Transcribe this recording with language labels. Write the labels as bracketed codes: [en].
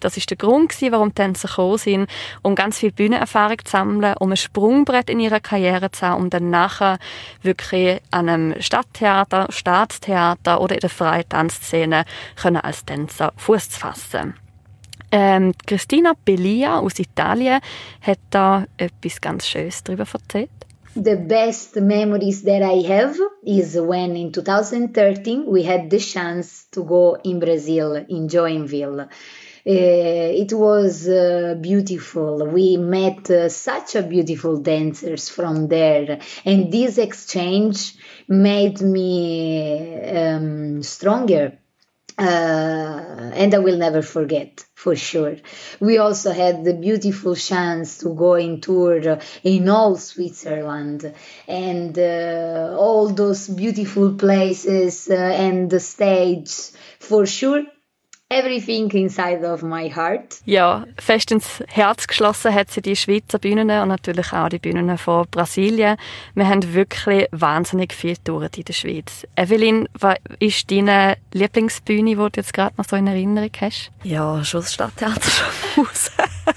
[de] Das ist der Grund gewesen, warum die Tänzer gekommen sind, um ganz viel Bühnenerfahrung zu sammeln, um ein Sprungbrett in ihrer Karriere zu haben, um dann nachher wirklich an einem Stadttheater, Staatstheater oder in der freien Tanzszene können als Tänzer Fuß zu fassen. Christina Pelia aus Italien hat da etwas ganz Schönes darüber erzählt. [en] The best memories that I have is when in 2013 we had the chance to go in Brazil, in Joinville. It was beautiful. We met such a beautiful dancers from there. And this exchange made me stronger. And I will never forget, for sure. We also had the beautiful chance to go in tour in all Switzerland, and all those beautiful places and the stage, for sure. Everything inside of my heart. [de] Ja, fest ins Herz geschlossen hat sie die Schweizer Bühnen und natürlich auch die Bühnen von Brasilien. Wir haben wirklich wahnsinnig viel Touren in der Schweiz. Evelyn, was ist deine Lieblingsbühne, die du jetzt gerade noch so in Erinnerung hast? Ja, Schussstadttheater Schaffhausen.